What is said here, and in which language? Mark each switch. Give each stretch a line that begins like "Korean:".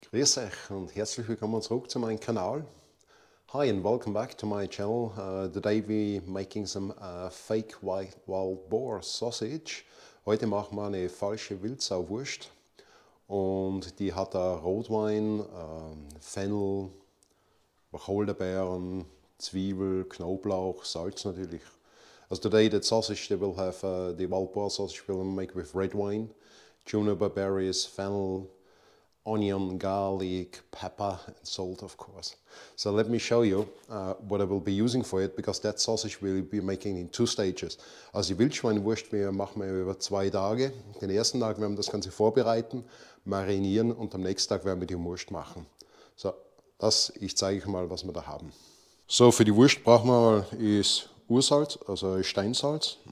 German: Grüß euch und herzlich willkommen zurück zu meinem Kanal.
English: Hi and welcome back to my channel. Today we're making some fake wild boar sausage.
German: Heute machen wir eine falsche Wildsauwurst. Und die hat da Rotwein, Fennel, Wacholderbeeren, Zwiebel, Knoblauch, Salz natürlich.
English: Also today the sausage they will have, the wild boar sausage will make with red wine, juniper berries, fennel, onion, garlic, pepper, and salt, of course. So let me show you what I will be using for it, because that sausage will be making in two stages.
German: Also die Wildschweinwurst machen wir über zwei Tage. Den ersten Tag werden wir das Ganze vorbereiten, marinieren und am nächsten Tag werden wir die Wurst machen. So, ich zeige euch mal, was wir da haben. So, für die Wurst brauchen wir mal Ursalz, also Steinsalz.